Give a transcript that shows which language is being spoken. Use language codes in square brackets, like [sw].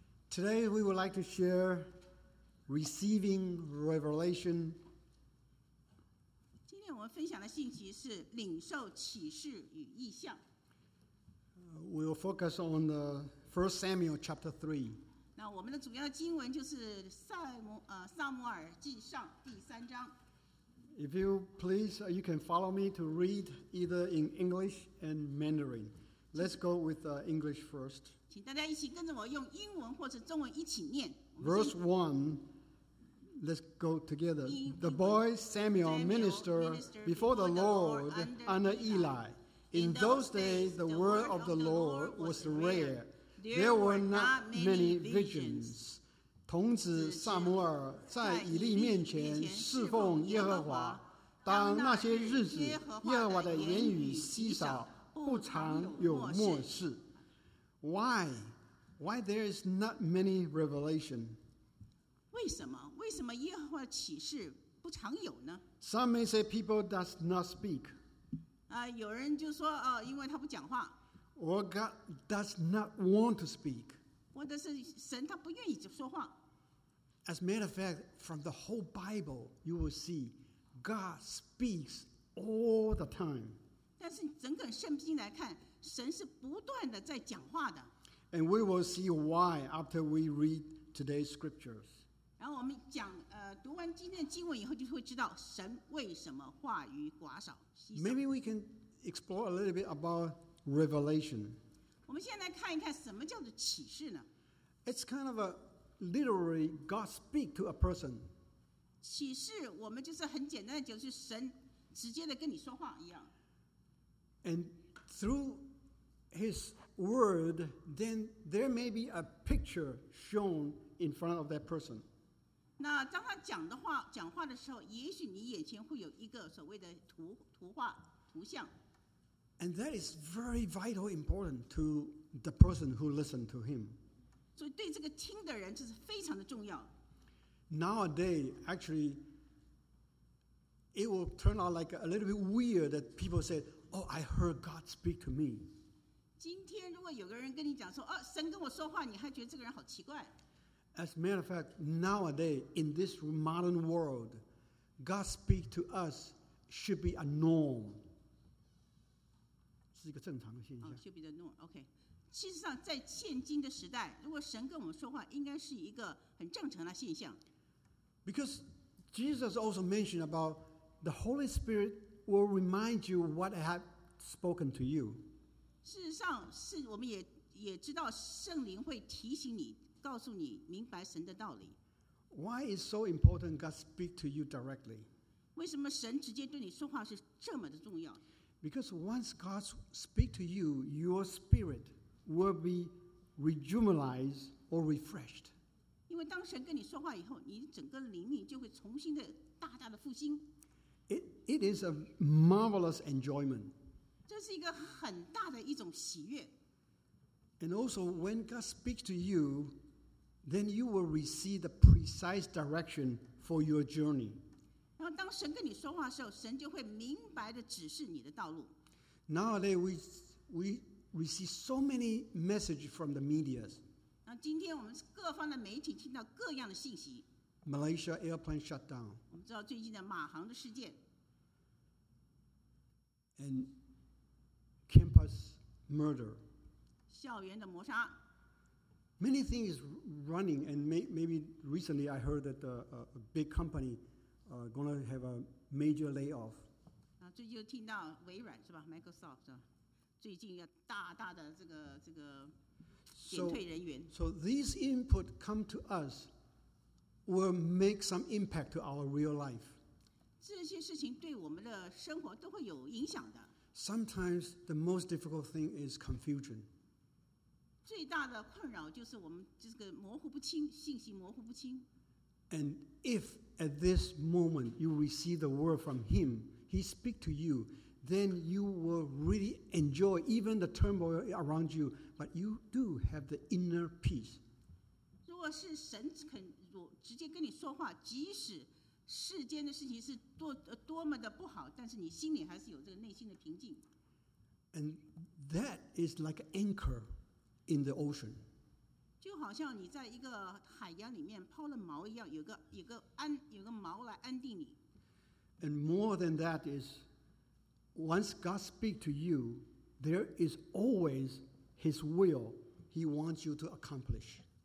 [en] Today we would like to share receiving revelation. [zh] 今天我们分享的信息是领受启示与异象。 [en] We will focus on the 1 Samuel chapter 3. [zh] 那我们的主要经文就是撒母耳记上第三章。 [en] If you please, you can follow me to read either in English and Mandarin. Let's go with English first. [zh] 请大家一起跟着我用英文或者中文一起念。 [en] Verse 1, let's go together. The boy Samuel ministered before the Lord under Eli. In those days, the word of the Lord was rare. There were not many visions. [zh] 童子撒母耳在以利面前侍奉耶和华。当那些日子，耶和华的言语稀少，不常有默示。 [en] Why there is not many revelation? [zh] 为什么？为什么耶和华的启示不常有呢？ [en] Some may say people does not speak. [zh] 有人就说因为他不讲话。 [en] Or God does not want to speak. [zh] 或者是神他不愿意说话。 [en] As a matter of fact, from the whole Bible, you will see God speaks all the time. [zh] 但是整个圣经来看，神是不断的在讲话的。 [en] And we will see why after we read today's scriptures. [zh] 然后我们讲读完今天的经文以后，就会知道神为什么话语寡少。 [en] Maybe we can explore a little bit about revelation. [zh] 我们现在来看一看什么叫做启示呢？ [en] It's kind of a literary God speak to a person. [zh] 启示我们就是很简单的就是神直接的跟你说话一样。 [en] And through his word, then there may be a picture shown in front of that person. [zh] 那当他讲话的时候，也许你眼前会有一个所谓的图画图像。 [en] And that is very vital important to the person who listened to him. [zh] 所以对这个听的人就是非常的重要。 [en] Nowadays, actually, it will turn out like a little bit weird that people say, oh, I heard God speak to me. [zh] 今天如果有个人跟你讲说，哦，神跟我说话，你还觉得这个人好奇怪。 [en] As a matter of fact, nowadays, in this modern world, God speak to us should be a norm. [zh] 是一个正常的现象。 [en] Oh, should be the norm. Okay. [zh] 事实上，在现今的时代，如果神跟我们说话，应该是一个很正常的现象。 [en] Because Jesus also mentioned about the Holy Spirit will remind you what I have spoken to you. [zh] 事实上，是我们也知道圣灵会提醒你，告诉你明白神的道理。 [en] Why is so important God speak to you directly? [zh] 为什么神直接对你说话是这么的重要？ [en] Because once God speaks to you, your spirit will be rejuvenized or refreshed. [zh] 因为当神跟你说话以后，你整个灵命就会重新的大大的复兴。 [en] It is a marvelous enjoyment. [zh] 这是一个很大的一种喜悦。 [en] And also, when God speaks to you, then you will receive the precise direction for your journey. [zh] 然后当神跟你说话的时候，神就会明白地指示你的道路。 [en] Nowadays, we receive so many messages from the media. [zh] 今天我们各方的媒体听到各样的信息。 [en] Malaysia airplane shut down. [zh] 我们知道最近的马航的事件。 [en] And campus murder. [zh] 校园的谋杀。 [en] Many things is running, and maybe recently I heard that a big company. Going to have a major layoff. [zh] 最近听到微软是吧 ？Microsoft 最近要大大的这个减退人员。 [en] So these input come to us will make some impact to our real life. [zh] 这些事情对我们的生活都会有影响的。 [en] Sometimes the most difficult thing is confusion. [zh] 最大的困扰就是我们这个模糊不清，信息模糊不清。 [en] And if at this moment you receive the word from him, he speaks to you, then you will really enjoy even the turmoil around you, but you do have the inner peace. [zh] 如果是神肯直接跟你说话，即使世间的事情是多么的不好，但是你心里还是有这个内心的平静。 [en] And that is like an anchor in the ocean. [zh] 就好像你在一个海洋里面抛了锚一样，有个锚来安定你。 [en] And more than that is, once God speaks to you, there is always His will He wants you to accomplish.